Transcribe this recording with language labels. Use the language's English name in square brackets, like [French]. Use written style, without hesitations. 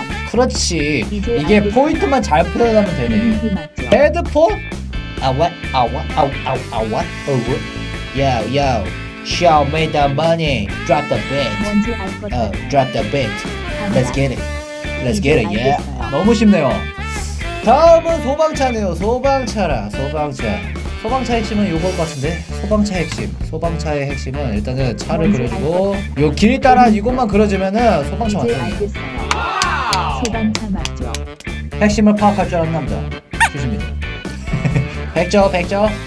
[Korean] 그렇지, 이게 포인트만 잘 표현하면 되네. 헤드폰? 아와 아와 아와 아와 아와. [English] Yo yo, show me the money, drop the beat, drop the beat, let's get it, let's get it, yeah. [Korean] 너무 쉽네요. 다음은 소방차네요. 소방차라, 소방차. 소방차의 핵심은 요거일 것 같은데. 소방차의 핵심, 소방차의 핵심은 일단은 차를 그려주고 요 길이 따라 이것만 그려주면은 소방차 맞다니. 소방차 맞죠. 핵심을 파악할 줄 아는 남자 주십니다. 백조, 백조.